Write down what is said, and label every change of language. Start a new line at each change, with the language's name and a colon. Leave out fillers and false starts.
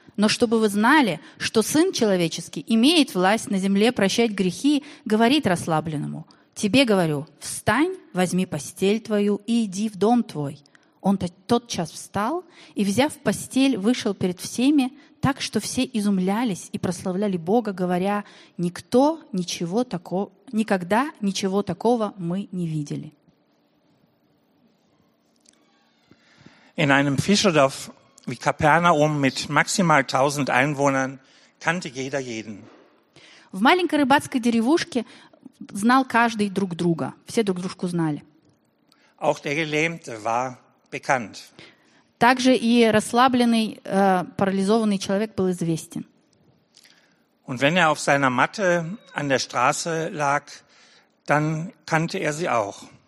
Russian: Но чтобы вы знали, что Сын Человеческий имеет власть на земле прощать грехи, говорит расслабленному: тебе говорю, встань, возьми постель твою и иди в дом твой». Он тотчас встал и, взяв постель, вышел перед всеми, так что все изумлялись и прославляли Бога, говоря: «Никто ничего такого, никогда ничего такого мы не видели».
German: In einem Fischerdorf wie Kapernaum mit maximal 1000 Einwohnern kannte jeder jeden.
Russian: В маленькой рыбацкой деревушке знал каждый друг друга. Все друг дружку знали.
German: Auch der Gelähmte war bekannt.
Russian: Также и расслабленный, парализованный человек был известен.
German: Und wenn er auf seiner Matte an der Straße lag, dann kannte er sie auch.